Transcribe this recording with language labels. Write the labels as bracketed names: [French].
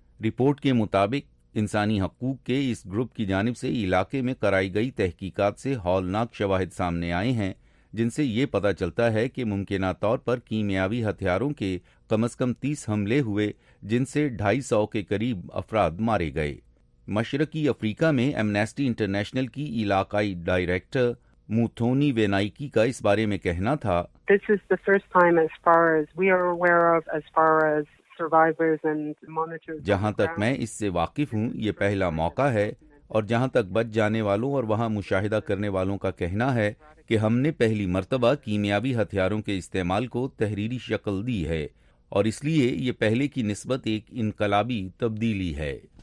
[Urdu] Report کے مطابق انسانی حقوق کے اس گروپ کی جانب سے علاقے میں کرائی گئی تحقیقات سے ہولناک شواہد سامنے آئے ہیں، جن سے یہ پتا چلتا ہے کہ ممکنہ طور پر کیمیاوی ہتھیاروں کے کم از کم 30 حملے ہوئے، جن سے 250 کے قریب افراد مارے گئے۔ مشرقی افریقہ میں ایمنیسٹی انٹرنیشنل کی علاقائی ڈائریکٹر موتھونی وینائکی کا اس بارے میں کہنا تھا، [English] This is the first time as far as we are aware of as far as survivors and monitors, [Urdu] جہاں تک میں اس سے واقف ہوں یہ پہلا موقع ہے، اور جہاں تک بچ جانے والوں اور وہاں مشاہدہ کرنے والوں کا کہنا ہے کہ ہم نے پہلی مرتبہ کیمیاوی ہتھیاروں کے استعمال کو تحریری شکل دی ہے، اور اس لیے یہ پہلے کی نسبت ایک انقلابی تبدیلی ہے۔